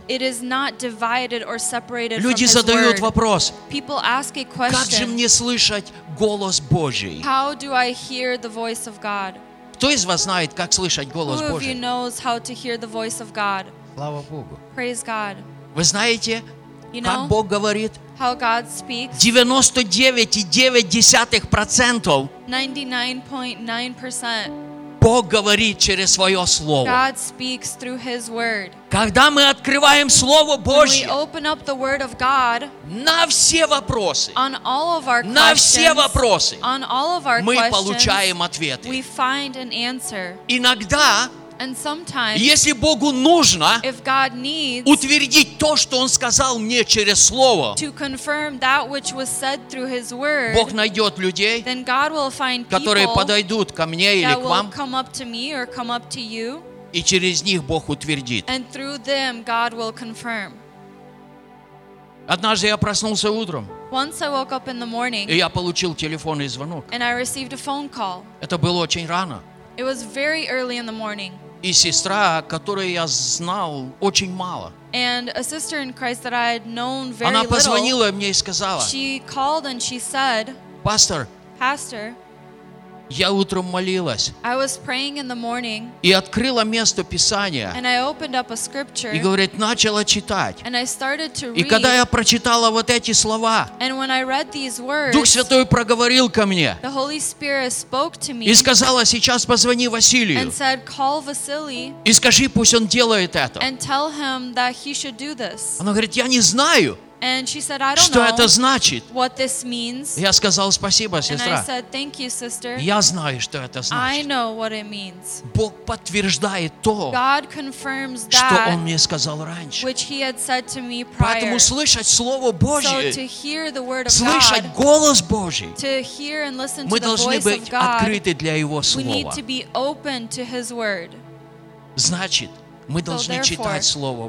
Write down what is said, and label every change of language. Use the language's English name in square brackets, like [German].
[English] It is not divided or separated from his word. [Russian] Люди задают вопрос. [English] People ask a question. [Russian] Как же мне слышать голос Божий? [English] How do I hear the voice of God? [Russian] Кто из вас знает, как слышать голос Божий? [English] Who of you knows how to hear the voice of God? [Russian] Слава Богу. [English] Praise God. [Russian] Вы знаете, [English] you know, [Russian] как Бог говорит? [English] How God speaks. [Russian] 99.9% [English] 99.9% [Russian] Бог говорит через свое слово. [English] God speaks through his word. [Russian] Когда мы открываем слово Божье, [English] when we open up the word of God, [Russian] на все вопросы, [English] on all of our [Russian] на все вопросы, [English] on all of our [Russian] мы получаем ответы. [English] We find an answer. [Russian] Иногда, [English] and sometimes, [Russian] если Богу нужно, [English] if God needs, [Russian] утвердить то, что Он сказал мне через слово, [English] to confirm that which was said through His word, [Russian] Бог найдет людей, [English] then God will find people, [Russian] которые подойдут ко мне или к вам, [English] that will come up to me or come up to you, [Russian] и через них Бог утвердит. [English] And through them God will confirm. [Russian] Однажды я проснулся утром. [English] Once I woke up in the morning, [Russian] и я получил телефонный звонок. [English] And I received a phone call. [Russian] Это было очень рано. [English] It was very early in the morning. [Russian] И сестра, которую я знал очень мало. [English] And a sister in Christ that I had known very little. [Russian] Она позвонила мне и сказала. [English] She called and she said. [Russian] Pastor. [English] Pastor. [Russian] Я утром молилась. [English] I was praying in the morning. [Russian] И открыла место Писания. [English] And I opened up a scripture. [Russian] И говорит, начала читать. [English] And I started to read. [Russian] И когда я прочитала вот эти слова. [English] And when I read these words. [Russian] Дух Святой проговорил ко мне. [English] The Holy Spirit spoke to me. [Russian] И сказала, сейчас позвони Василию. [English] And said, call Vasily. [Russian] И скажи, пусть он делает это. [English] And tell him that he should do this. [Russian] Она говорит, я не знаю. [English] And she said, I don't know [Russian] это значит? [English] What this means. [Russian] Я сказал, спасибо, сестра. [English] And I said, thank you, sister. [Russian] Я знаю, что это значит. [English] I know what it means. [Russian] Бог подтверждает то, [English] God confirms that, [Russian] что Он мне сказал раньше. [English] Which he had said to me prior. [Russian] Поэтому слышать Слово Божие, [English] so to hear the word of God, [Russian] слышать голос Божий, [English] to hear and listen [Russian] мы [English] to [Russian] должны [English] the voice of God, [Russian] открыты для Его Слова. [English] We need to be open to His word. [Russian] Значит, мы должны читать Слово